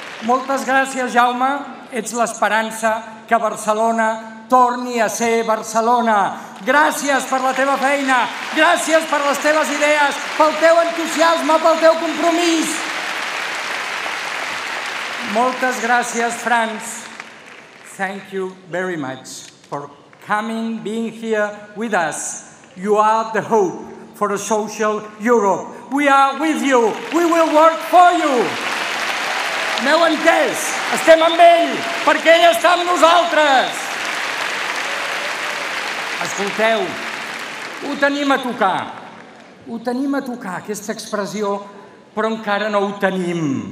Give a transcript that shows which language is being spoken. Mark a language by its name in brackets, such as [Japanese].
[Catalan] Moltes gràcies, Jaume. Ets l'esperança que Barcelona torni a ser Barcelona. Gràcies per la teva feina, gràcies per les teves idees, pel teu entusiasme, pel teu compromís. Moltes gràcies, Franz. [English] Thank you very much for coming, being here with us. You are the hope for a social Europe. We are with you. We will work for you. [Catalan] M'heu entès? Estem amb ell, perquè ell està amb nosaltres. Escolteu, ho tenim a tocar. Ho tenim a tocar, aquesta expressió, però encara no ho tenim.